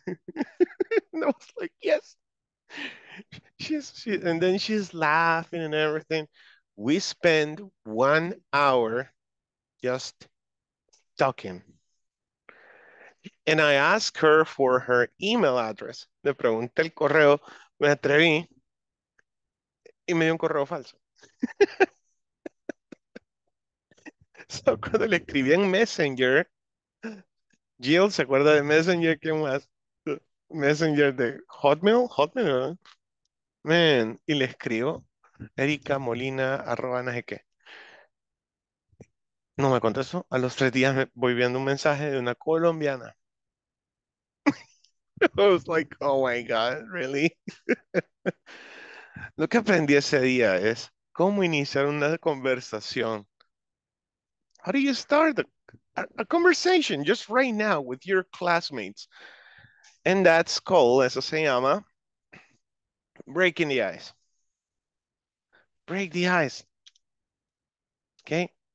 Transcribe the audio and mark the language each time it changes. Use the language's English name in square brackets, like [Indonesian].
[English] And I was like, yes. And then she's laughing and everything. We spend 1 hour just talking. And I asked her for her email address. [Spanish] Le pregunté el correo, me atreví, y me dio un correo falso. So, cuando le escribí en Messenger, Jill, ¿se acuerda de Messenger? ¿Quién más? Messenger de Hotmail, Hotmail, ¿verdad? Man, y le escribo, Erika Molina, arroba, no sé qué. No me contestó. A los 3 días voy viendo un mensaje de una colombiana. [English] I was like, oh my God, really? [Spanish] Lo que aprendí ese día es cómo iniciar una conversación. [English] How do you start a conversation just right now with your classmates? And that's called, [Spanish] eso se llama, [English] breaking the ice. Break the ice. Okay.